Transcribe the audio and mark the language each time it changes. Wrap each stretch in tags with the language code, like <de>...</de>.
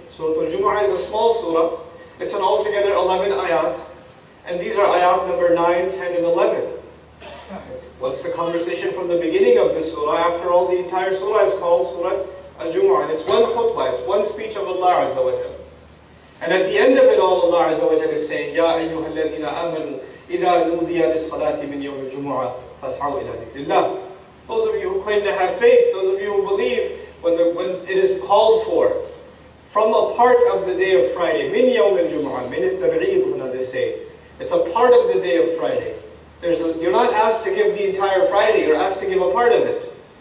<en>Suratul Jumu'ah is a small surah. It's an altogether 11 ayat. And these are ayat number 9, 10, and 11. What's the conversation from the beginning of this surah? After all, the entire surah is called Surat Al-Jumu'ah. And it's one khutbah, it's one speech of Allah Azza wa Jal. And at the end of it all, Allah Azza wa Jal is saying,</en> <ar>يَا أَيُّهَا الَّذِينَ آمَنُوا إِذَا نُودِيَ لِلصَّلَاةِ مِنْ يَوْمِ الْجُمُعَةِ فَاسْعَوْا إِلَى ذِكْرِ اللَّهِ.</ar> <en>Those of you who claim to have faith, those of you who believe, when it is called for, from a part of the day of Friday,</en> <ar>مِنْ يَوْمِ الْجُمُعَةِ مِنْ التَّبْعِيدُهُنَا</ar> <en>they say, it's a part of the day of Friday. You're not asked to give the entire Friday, you're asked to give a part of it.</en>